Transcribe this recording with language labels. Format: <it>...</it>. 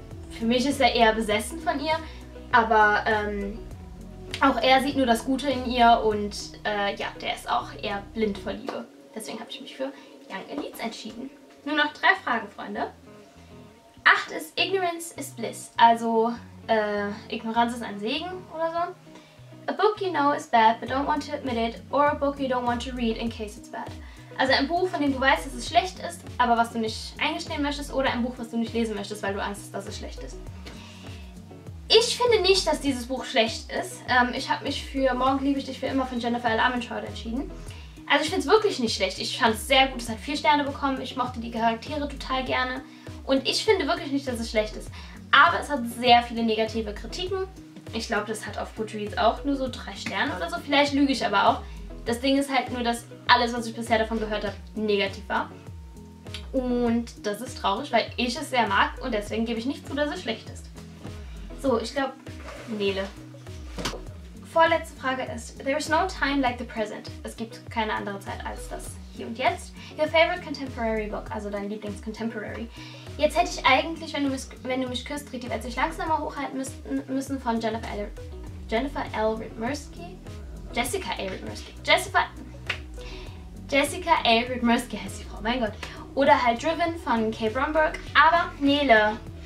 <de>Für mich ist er eher besessen von ihr. Aber auch er sieht nur das Gute in ihr. Und ja, der ist auch eher blind vor Liebe. Deswegen habe ich mich für Young Elites entschieden. Nur noch 3 Fragen, Freunde. 8 ist Ignorance is Bliss, also Ignoranz ist ein Segen oder so.</de> <en>A book you know is bad but don't want to admit it or a book you don't want to read in case it's bad.</en> <de>Also ein Buch, von dem du weißt, dass es schlecht ist, aber was du nicht eingestehen möchtest oder ein Buch, was du nicht lesen möchtest, weil du Angst hast, dass es schlecht ist. Ich finde nicht, dass dieses Buch schlecht ist. Ich habe mich für Morgen liebe ich dich für immer von Jennifer L. Armentrout entschieden. Also ich finde es wirklich nicht schlecht. Ich fand es sehr gut, es hat 4 Sterne bekommen, ich mochte die Charaktere total gerne. Und ich finde wirklich nicht, dass es schlecht ist. Aber es hat sehr viele negative Kritiken. Ich glaube, das hat auf Goodreads auch nur so 3 Sterne oder so. Vielleicht lüge ich aber auch. Das Ding ist halt nur, dass alles, was ich bisher davon gehört habe, negativ war. Und das ist traurig, weil ich es sehr mag. Und deswegen gebe ich nicht zu, dass es schlecht ist. So, ich glaube, Nele. Vorletzte Frage ist, there is no time like the present. Es gibt keine andere Zeit als das hier und jetzt.</de> <en>Your favorite contemporary book, also dein Lieblings-Contemporary.</en> <de>Jetzt hätte ich eigentlich, wenn du mich küsst, dreht die Welt sich langsamer hochhalten müssen von Jessica A. Rydmerski heißt die Frau, mein Gott. Oder halt Driven von Kay Bromberg. Aber Nele.</de>